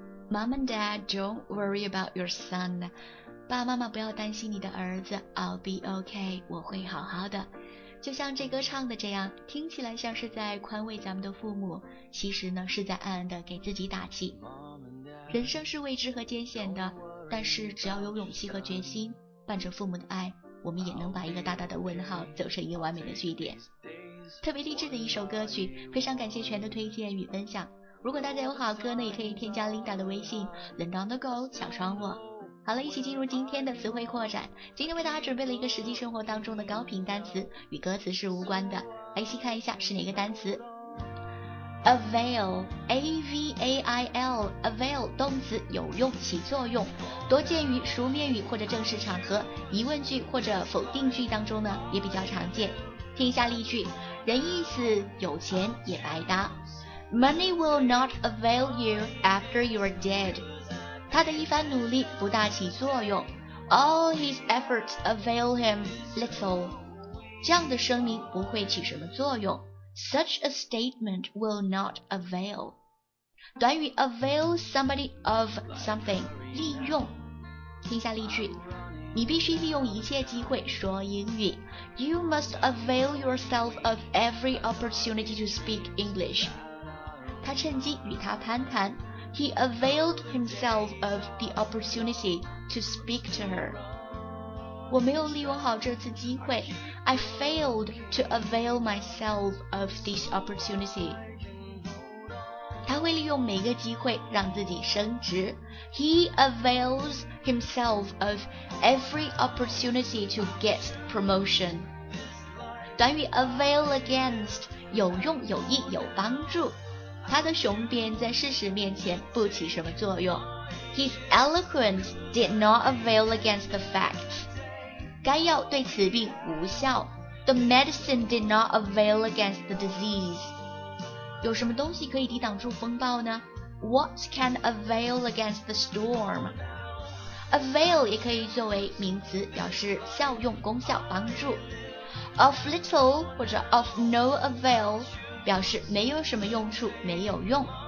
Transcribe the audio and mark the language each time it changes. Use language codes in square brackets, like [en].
[en] Mom and Dad, don't worry about your son. [zh] 爸爸妈妈不要担心你的儿子， [en] I'll be okay, [zh] 我会好好的。就像这歌唱的这样，听起来像是在宽慰咱们的父母，其实呢是在暗暗的给自己打气。人生是未知和艰险的，但是只要有勇气和决心，伴着父母的爱，我们也能把一个大大的问号走成一个完美的句点。特别励志的一首歌曲，非常感谢全的推荐与分享。如果大家有好歌呢，也可以添加 Linda 的微信 Linda on the go 小窗户。好了，一起进入今天的词汇扩展。今天为大家准备了一个实际生活当中的高频单词，与歌词是无关的，来一起看一下是哪个单词。 Avail, A-V-A-I-L, Avail, 动词，有用，起作用，多见于书面语或者正式场合，疑问句或者否定句当中呢，也比较常见。听一下例句，人意思有钱也白搭。 [en] Money will not avail you after you're dead. [zh] 他的一番努力不大起作用。 [en] All his efforts avail him little. [zh] 这样的声明不会起什么作用。 [en] Such a statement will not avail. 短语 avail somebody of something, 利用。 [zh] 听下例句，你必须利用一切机会说英语。 [en] You must avail yourself of every opportunity to speak English. [zh] 他趁机与他攀谈。 [en] He availed himself of the opportunity to speak to her. [zh] 我没有利用好这次机会。 [en] I failed to avail myself of this opportunity. [zh] 他会利用每个机会让自己升职。 [en] He avails himself of every opportunity to get promotion. [zh] 短语 avail against 有用、有益、有帮助。他的雄辩在事实面前不起什么作用。 [en] His eloquence did not avail against the facts. [zh] 该药对此病无效。 [en] The medicine did not avail against the disease. [zh] 有什么东西可以抵挡住风暴呢？ [en] What can avail against the storm? Avail [zh] 也可以作为名词，表示效用、功效、帮助。 Of little 或者 of no avail 表示没有什么用处，没有用。